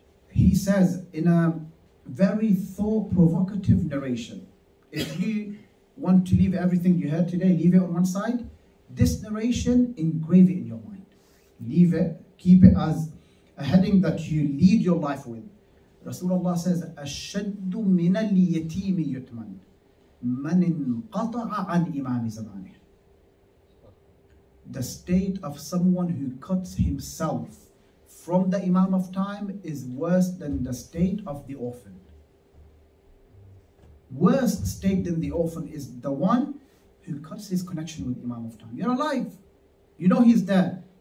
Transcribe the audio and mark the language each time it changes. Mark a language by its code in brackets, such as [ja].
[en] He says in a very thought provocative narration, if you want to leave everything you heard today, leave it on one side. This narration, engrave it in your mind. Leave it, keep it as a heading that you lead your life with. Rasulullah says, [ar] أَشَدُّ مِنَ الْيَتِيمِ يُتْمَنْ مَنْ انْقَطَعَ عَنْ إِمَامِ زَمَانِهِ. [en] The state of someone who cuts himself from the Imam of time is worse than the state of the orphan. Worse state than the orphan is the one who cuts his connection with Imam of time. You're alive. You know he's there.